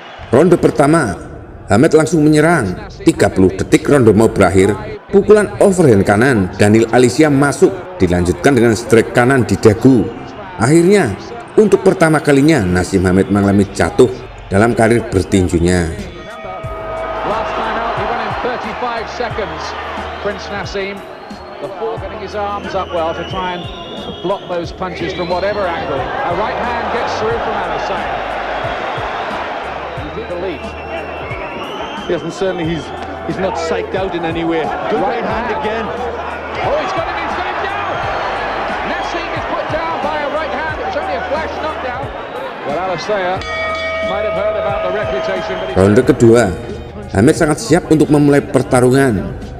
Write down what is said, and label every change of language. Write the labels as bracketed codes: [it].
[id] Ronde pertama, Hamed langsung menyerang. 30 detik ronde mau berakhir, pukulan overhand kanan Daniel Alicea masuk, dilanjutkan dengan strike kanan di dagu. Akhirnya, untuk pertama kalinya Nasim Hamed mengalami jatuh dalam karir bertinjunya. [en] Last time out, he won in 35 seconds. Prince Nassim, before getting his arms up well to try and block those punches from whatever angle. A right hand gets through from Alicea. Yes, and certainly he's not psyched out in any way. Good right hand again. Oh, he's got him, he's got him down. Nassim is put down by a right hand. It's only a flash knockdown. Well, Alicea might have heard about the reputation. [id] Ronde kedua, Hamed sangat siap untuk memulai pertarungan.